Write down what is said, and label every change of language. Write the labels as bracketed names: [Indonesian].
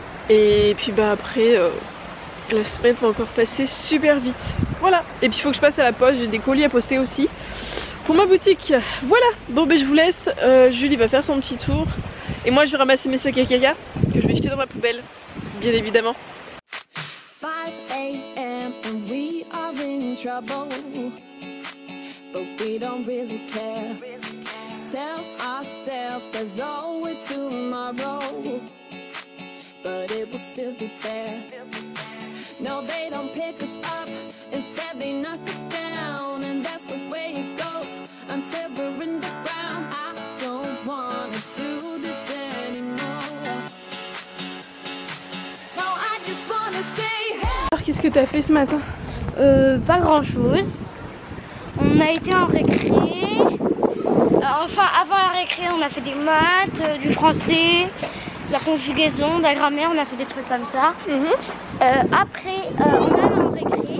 [French] Et puis bah après, la semaine va encore passer super vite. Voilà, et puis il faut que je passe à la poste, j'ai des colis à poster aussi pour ma boutique. Voilà, bon ben je vous laisse, Julie va faire son petit tour et moi je vais ramasser mes sacs à caca que je vais jeter dans ma poubelle, bien évidemment. [English] 5 a.m. and we are in trouble, but we don't really care. Tell ourselves there's always tomorrow, but it will still be there. No, they don't pick us up, instead they knock us down. And that's the way it goes, until we're in the ground. I don't wanna do this anymore. No, I just wanna say hey. [French] Alors, qu'est-ce que t'as fait ce matin? Pas grand-chose. On a été en récré. Enfin, avant la récré, on a fait des maths, du français. La conjugaison, la grammaire, on a fait des trucs comme ça. Après, on est allé en récré.